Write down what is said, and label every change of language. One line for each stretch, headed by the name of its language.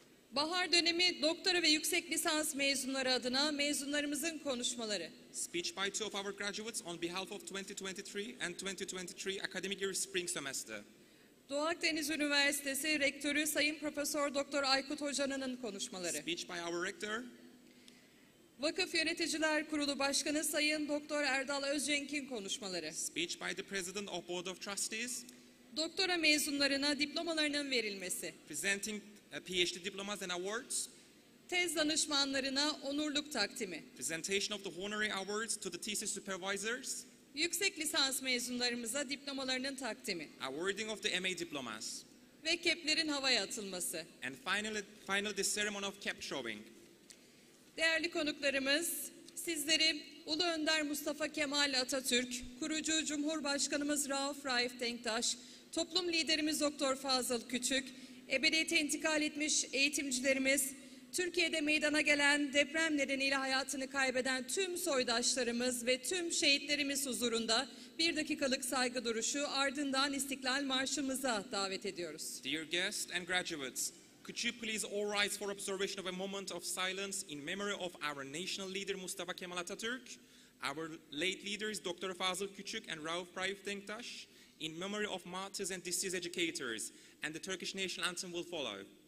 Turkish: Bahar dönemi doktora ve yüksek lisans mezunları adına mezunlarımızın konuşmaları.
English: Speech by two of our graduates on behalf of 2023 and 2023 academic year spring semester.
Turkish: Doğu Akdeniz Üniversitesi Rektörü Sayın Profesör Doktor Aykut Hoca'nın konuşmaları.
English: Speech by our rector.
Turkish: Vakıf Yöneticiler Kurulu Başkanı Sayın Doktor Erdal Özcenk'in konuşmaları.
English: Speech by the President of Board of Trustees.
Turkish: Doktora mezunlarına diplomalarının verilmesi.
English: Presenting PhD diplomas and awards.
Turkish: Tez danışmanlarına onurluk takdimi.
English: Presentation of the honorary awards to the thesis supervisors.
Turkish: Yüksek lisans mezunlarımıza diplomalarının takdimi.
English: Awarding of the MA diplomas.
Turkish: Ve keplerin havaya atılması.
English: And finally the ceremony of cap throwing.
Turkish: Değerli konuklarımız, sizleri Ulu Önder Mustafa Kemal Atatürk, kurucu Cumhurbaşkanımız Rauf Raif Denktaş, toplum liderimiz Doktor Fazıl Küçük, ebediyete intikal etmiş eğitimcilerimiz, Türkiye'de meydana gelen deprem nedeniyle hayatını kaybeden tüm soydaşlarımız ve tüm şehitlerimiz huzurunda bir dakikalık saygı duruşu ardından İstiklal Marşımıza davet ediyoruz.
English: Dear guests and graduates, could you please all rise for observation of a moment of silence in memory of our national leader Mustafa Kemal Atatürk, our late leaders Dr. Fazıl Küçük and Rauf Raif Denktaş, in memory of martyrs and deceased educators, and the Turkish national anthem will follow.